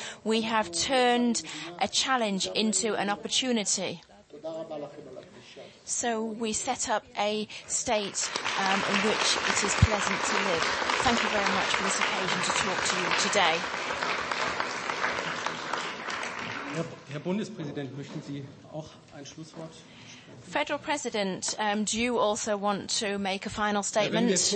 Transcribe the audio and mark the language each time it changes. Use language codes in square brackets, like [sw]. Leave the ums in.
[en] We have turned a challenge into an opportunity. So we set up a state um, in which it is pleasant to live. Thank you very much for this occasion to talk to you today. [de] Herr, Herr Bundespräsident, möchten Sie auch ein Schlusswort? [en] Federal President, um, do you also want to make a final statement?